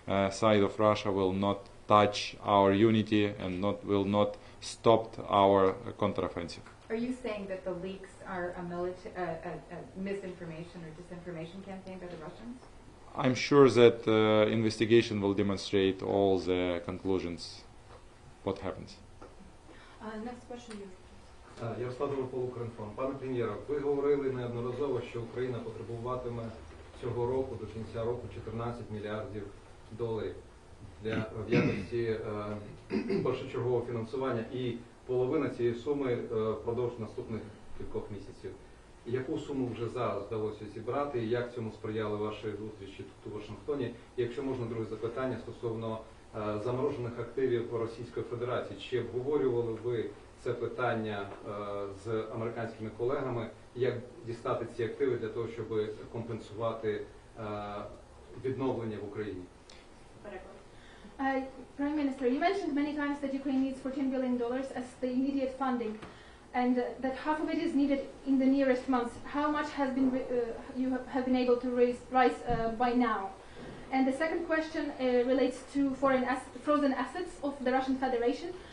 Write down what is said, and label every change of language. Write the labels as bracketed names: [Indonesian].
[English] side of Russia will not touch our unity and will not stop our counteroffensive. Are you saying that the leaks are a misinformation or disinformation campaign by the Russians? I'm sure that the investigation will demonstrate all the conclusions. What happens? Next question. [Ukrainian] Я вставив по Укрінформ. Пане прем'єре, ви говорили неодноразово, що Україна потребуватиме цього року, до кінця року, 14 мільярдів доларів для в якості першочергового фінансування, і половина цієї суми впродовж наступних кількох місяців. Яку суму вже зараз вдалося зібрати і як цьому сприяли ваші зустрічі тут у Вашингтоні? І якщо можна, друге запитання стосовно заморожених активів Російської Федерації. Чи обговорювали ви це питання з американськими колегами, як дістати ці активи для того, щоб компенсувати відновлення в Україні? [English] Prime Minister, you mentioned many times that Ukraine needs $14 billion as the immediate funding, and that half of it is needed in the nearest months. How much has been you have been able to raise by now? And the second question relates to foreign frozen assets of the Russian Federation.